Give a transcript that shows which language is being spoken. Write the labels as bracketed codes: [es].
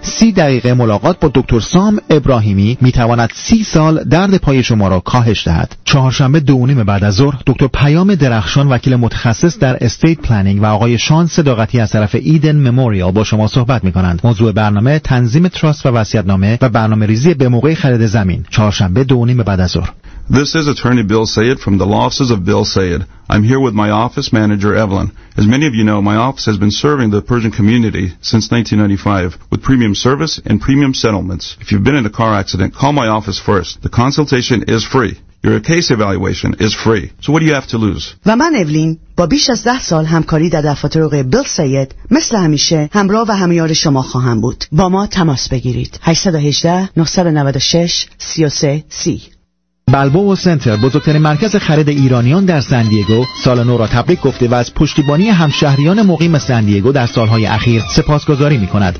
[fa] 30 دقیقه ملاقات با دکتر سام ابراهیمی می‌تواند 30 سال درد پای شما را کاهش دهد. چهارشنبه 2:30 بعد از ظهر دکتر پیام درخشان، وکیل متخصص در استیت پلنینگ، و آقای شان صداقتی از طرف ایدن مموریال با شما صحبت می کنند. موضوع برنامه تنظیم تراست و وصیت نامه و برنامه ریزی به موقع خرید زمین. چهارشنبه 2:30 بعد از ظهر. [en] This is attorney Bill Sayed from the law offices of Bill Sayed. I'm here with my office manager Evelyn. As many of you know, my office has been serving the Persian community since 1995 with premium service and premium settlements. If you've been in a car accident, call my office first. The consultation is free. Your case evaluation is free. So what do you have to lose? [fa] و من اولین با بیش از 10 سال همکاری در دفاتر حقوقی بیل سید مثل همیشه همراه و همیار شما خواهم بود. با ما تماس بگیرید. 818-996-33-30. بلبو سنتر، بزرگترین مرکز خرید ایرانیان در سان دیگو، سال نو را تبریک گفته و از پشتیبانی همشهریان مقیم سان دیگو در سالهای اخیر سپاسگزاری می‌کند.